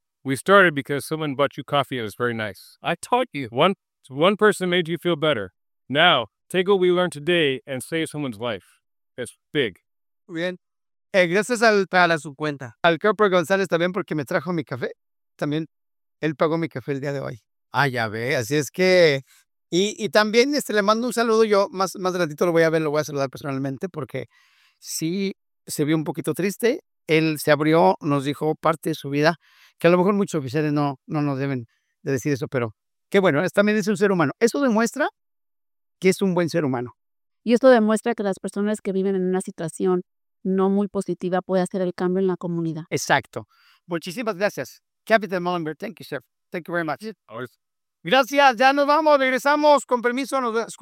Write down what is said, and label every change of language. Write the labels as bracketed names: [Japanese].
[English] We started because someone bought you coffee. It was very nice. I taught you. One person made you feel better. Now, take what we learned today and save someone's life. It's big. [Spanish] Bien. Gracias a su cuenta. Al Corporal González también porque me trajo mi café. También él pagó mi café el día de hoy. Ah, ya ve. Así es que... Y también le mando un saludo. Yo más adelantito lo voy a ver, lo voy a saludar personalmente porque sí se vio un poquito triste. Él se abrió, nos dijo parte de su vida, que a lo mejor muchos oficiales no nos deben de decir eso, pero qué bueno, también es un ser humano. Eso demuestra que es un buen ser humano. Y esto demuestra que las personas que viven en una situación no muy positiva puede hacer el cambio en la comunidad. Exacto. Muchísimas gracias. [English] Captain Mullenberg, thank you, sir. Thank you very much. Always. [Spanish] Gracias. Ya nos vamos. Regresamos. Con permiso, nos escuchamos.